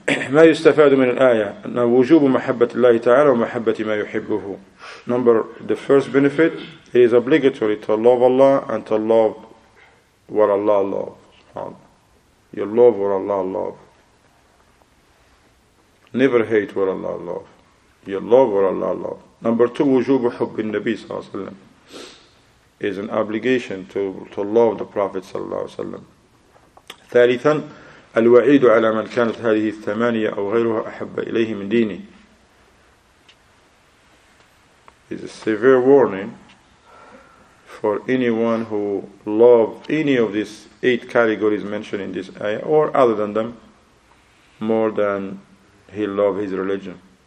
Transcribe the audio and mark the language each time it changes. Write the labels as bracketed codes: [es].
[ar] ما يستفاد من الآية أن وجوب محبة الله تعالى ومحبة ما يحبه. [en] Number the first benefit, it is obligatory to love Allah and to love what Allah loves. You love what Allah loves. Never hate what Allah loves. You love what Allah loves. Number two, [ar] وجوب حب النبي صلى الله عليه وسلم [en] is an obligation to love the Prophet [ar] صلى الله عليه وسلم. ثالثا الوعيد على من كانت هذه الثمانية أو غيرها أحب إليه من دينه. [en] It's a severe warning for anyone who loved any of these eight categories mentioned in this ayah or other than them more than he loved his religion.